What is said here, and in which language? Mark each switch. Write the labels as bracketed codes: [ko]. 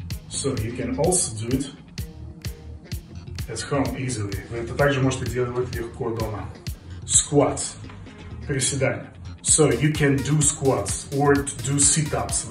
[en] So you can also do it at home easily. [ru] Вы это также можете делать легко дома. [en] Squats. [ru] Приседания. [en] So you can do squats or do sit-ups.